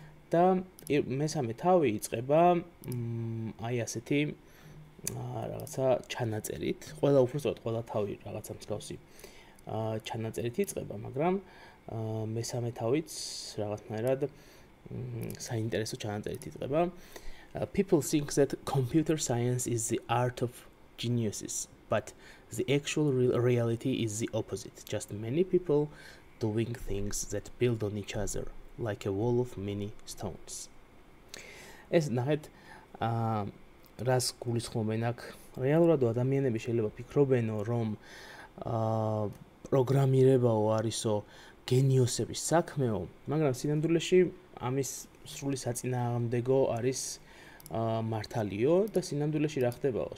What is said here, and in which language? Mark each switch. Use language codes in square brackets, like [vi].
[ka] და მესამე თავი იწყება აი ასეთი რაღაცა ჩანაწერით. ყველა უფრო სწორად, ყველა თავი რაღაცა მსგავსი ჩანაწერით იწყება, მაგრამ მესამე თავიც რაღაცნაირად საინტერესო ჩანაწერით იწყება. [en] People think that computer science is the art of geniuses, but the actual reality is the opposite. Just many people doing things that build on each other, like a wall of many stones. [ka] ეს ნახეთ, რას გულისხმობენ აქ. რეალურად ადამიანები შეიძლება ფიქრობენ, რომ პროგრამირებაო არისო გენიოსების საქმეო, მაგრამ სინამდვილეში ამის სრული საწინააღმდეგო არის მართალიო და სინამდვილეში რა ხდებაო?